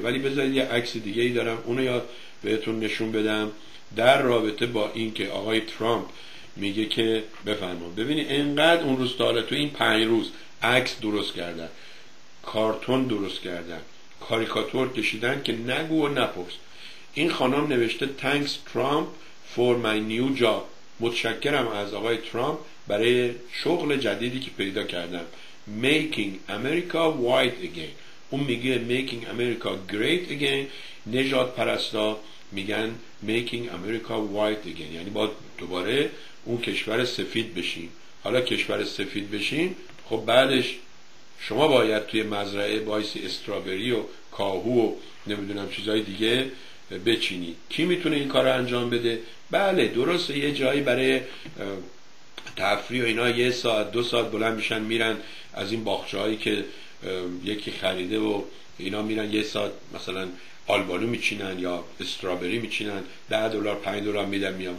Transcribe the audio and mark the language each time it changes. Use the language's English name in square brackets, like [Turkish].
[Persian] ولی بذارید یه عکس دیگه ای دارم اونو یاد بهتون نشون بدم در رابطه با این که آقای ترامپ میگه که بفرمو ببینید انقدر اون روز داره تو این 5 روز عکس درست کردن، کارتون درست کردن، کاریکاتور کشیدن که نگو و نپرس. این خانم نوشته [English] Thanks Trump for my new job. [Persian] متشکرم از آقای ترامپ برای شغل جدیدی که پیدا کردم. [English] Making America White Again. [Persian] اون میگه [English] Making America Great Again. [Persian] نژاد پرستا میگن [English] Making America White Again. [Persian] یعنی باید دوباره اون کشور سفید بشیم. حالا کشور سفید بشیم، خب بعدش شما باید توی مزرعه بایسی استرابری و کاهو و نمیدونم چیزهای دیگه بچینی. کی میتونه این کار رو انجام بده؟ بله درسته یه جایی برای تفریح و اینا یه ساعت دو ساعت بلند میشن میرن از این باغچه هایی که یکی خریده و اینا میرن یه ساعت مثلا آلبالو میچینن یا استرابری میچینن، $10-5 میدن میان.